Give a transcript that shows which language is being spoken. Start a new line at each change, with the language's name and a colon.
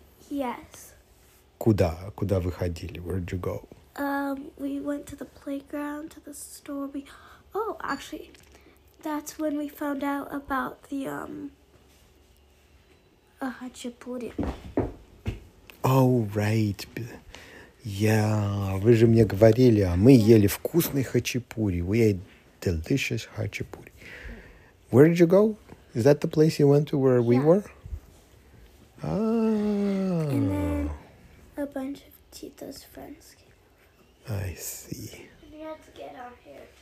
English: Yes.
Russian: Куда? Куда вы ходили?
English: Where did you go? We went to the playground, to the store. Actually, that's when we found out about the, Хачапури. Oh, right.
Russian: Вы же мне говорили, а мы ели вкусный хачапури.
English: We ate delicious хачапури. Where did you go? Is that the place you went to where we were? Ah. And then a bunch of Tito's friends came. I see. And you have to get out here.